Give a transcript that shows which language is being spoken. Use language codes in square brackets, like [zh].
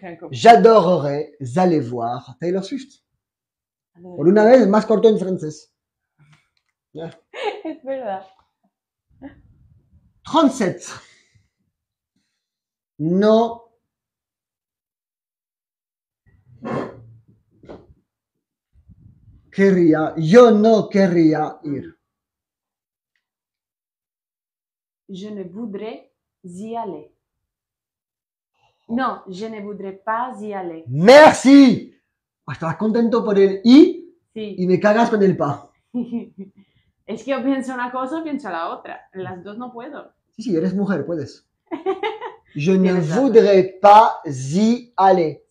[fr] J'adorerais aller voir Taylor Swift. [es] Por una vez, más corto en francés. Es verdad. 37. No. Querría, yo no querría ir. [fr] Je ne voudrais y aller. No, je ne voudrais pas y aller. ¡Merci! [es] Estás contento por el y sí. Y me cagas con el pa. Es que yo pienso una cosa o pienso la otra. Las dos no puedo. Sí, sí, eres mujer, puedes. [fr] Je ne voudrais pas y aller.